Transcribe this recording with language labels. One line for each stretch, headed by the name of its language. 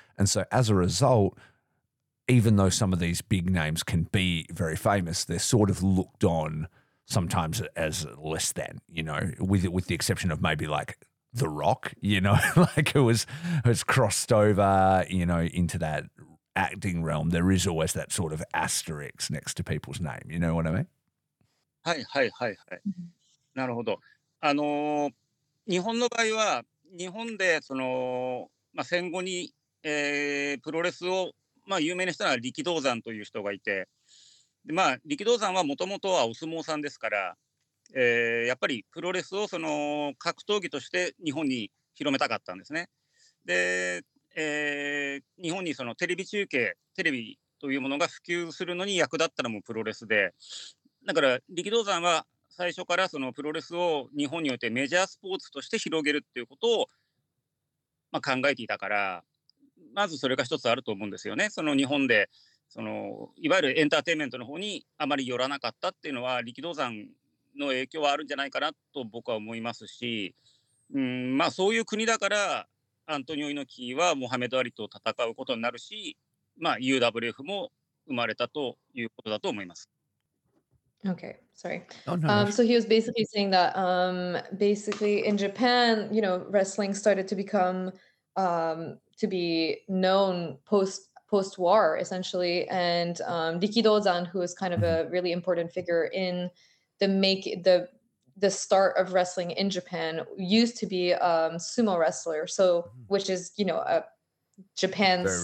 English: And so as a result, even though some of these big names can be very famous, they're sort of looked on sometimes as less than, you know, with the exception of maybe like The Rock, you know, like it was crossed over, you know, into that acting realm. There is always that sort of asterisk next to people's name. You know what I mean?
Japanese: はいはいはいはい。なるほど。日本の場合は、日本でその、まあ、戦後に、プロレスを、まあ、有名にしたのは力道山という人がいて、でまあ、力道山はもともとはお相撲さんですから、やっぱりプロレスをその格闘技として日本に広めたかったんですね。で、日本にそのテレビ中継、テレビというものが普及するのに役立ったのもプロレスで、だから力道山は最初からそのプロレスを日本においてメジャースポーツとして広げるっていうことを、まあ、考えていたから、まずそれが一つあると思うんですよね。その日本でそのいわゆるエンターテインメントの方にあまり寄らなかったっていうのは力道山の影響はあるんじゃないかなと僕は思いますし、まあそういう国だからアントニオ猪木はモハメド・アリと戦うことになるし、まあ UWF も生まれたということだと思います。
English: Okay, sorry. So he was basically saying that basically in Japan, you know, wrestling started to become to be known post-war essentially, and Rikidōzan, who is kind of a really important figure in the start of wrestling in Japan, used to be a sumo wrestler, so which is, you know, a Japan's